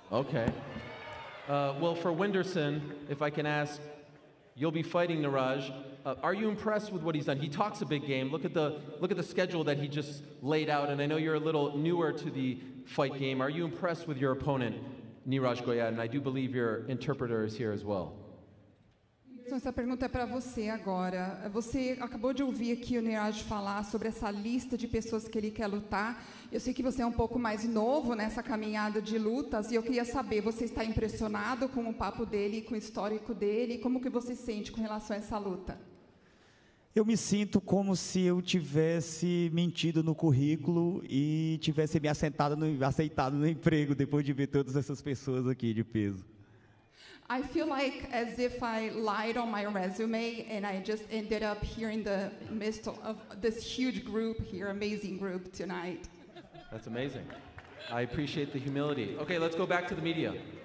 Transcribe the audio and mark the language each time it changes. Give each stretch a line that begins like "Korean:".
English: Okay. Well, for Winderson, if I can ask, you'll be fighting Naraj. Are you impressed with what he's done? He talks a big game. Look at the schedule that he just laid out. And I know you're a little newer to the fight game. Are you impressed with your opponent, Niraj Goyad? And I do believe your interpreter is here as well.
Portuguese: Essa pergunta é para você agora. Você acabou de ouvir aqui o Niraj falar sobre essa lista de pessoas que ele quer lutar. Eu sei que você é um pouco mais novo nessa caminhada de lutas e eu queria saber, você está impressionado com o papo dele, com o histórico dele? Como que você sente com relação a essa luta? Eu me sinto como se eu tivesse mentido no currículo e tivesse me aceitado no emprego depois de ver todas essas pessoas aqui de peso.
English: I feel like as if I lied on my resume and I just ended up here in the midst of this huge group here, amazing group tonight. That's amazing. I appreciate the humility. Okay, let's go back to the media.